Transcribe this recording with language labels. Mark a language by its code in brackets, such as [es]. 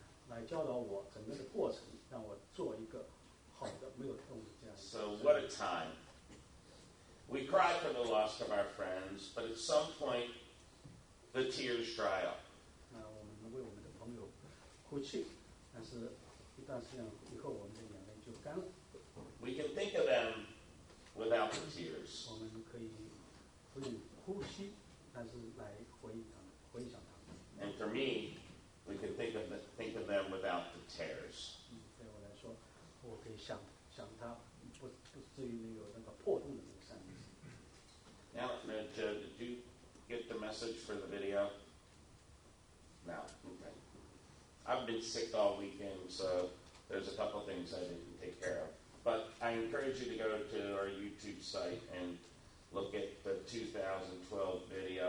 [zh] 来教导我整个的过程，让我做一个好的没有痛的这样。 [en] So what a time. We cry for the loss of our friends, but at some point, the tears dry up. [zh] 那我们为我们的朋友哭泣，但是一段时间以后，我们的眼泪就干了。 [en] We can think of them without the tears. [zh] 我们可以不用呼吸，但是来回忆他们，回想他们。 [en] And for me, we can think of them without the tears. [zh] 对我来说，我可以想他，不至于没有那个破洞的那个伤。 [en] Now, did you get the message for the video? No. Okay. I've been sick all weekend, so there's a couple things I didn't take care of. But I encourage you to go to our YouTube site and look at the 2012 video.